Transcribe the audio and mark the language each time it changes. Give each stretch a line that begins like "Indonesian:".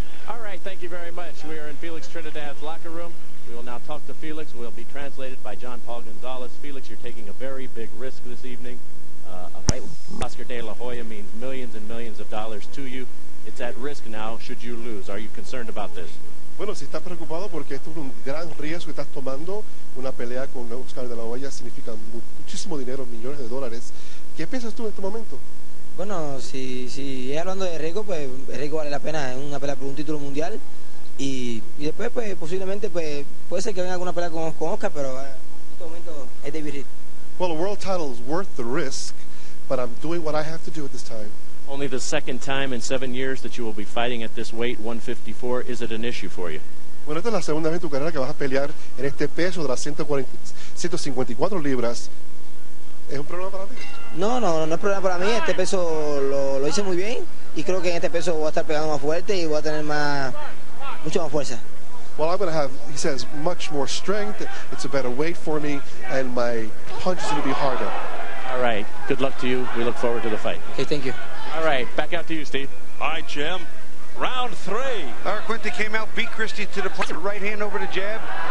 English: All right, thank you very much. We are in Felix Trinidad's locker room. We will now talk to Felix. We'll be translated by John Paul Gonzalez. Felix, you're taking a very big risk this evening. A fight with Oscar De La Hoya means millions and millions of dollars to you. It's at risk now should you lose. Are you concerned about this?
Spanish: Bueno, si está preocupado porque esto es un gran riesgo que estás tomando. Una pelea con Oscar De La Hoya significa muchísimo dinero, millones de dólares. ¿Qué piensas tú en este momento? Bueno, si es hablando de riesgo, pues riesgo vale la pena. Es una pelea por un título mundial. Y después, pues, posiblemente, pues, puede ser que venga alguna pelea con Oscar, pero en este momento es David Reed.
English: Well, a world title is worth the risk, but I'm doing what I have to do at this time. Only the second time in 7 years that you will be fighting at this weight, 154, is it an issue for you?
Spanish: Bueno, esta es la segunda vez en tu carrera que vas a pelear en este peso de las 154 libras. ¿Es un problema para ti? No, no es problema para mí. Este peso lo hice muy bien, y creo que en este peso voy a estar pegando más fuerte y voy a tener más... Mucho más fuerza.
English: Well, I'm going to have, he says, much more strength. It's a better weight for me, and my punch is going to be harder. All right. Good luck to you. We look forward to the fight. Okay, thank you. All right. Back out to you, Steve. All right, Jim. Round 3. Laracuente came out, beat Christy to the point, right hand over the jab.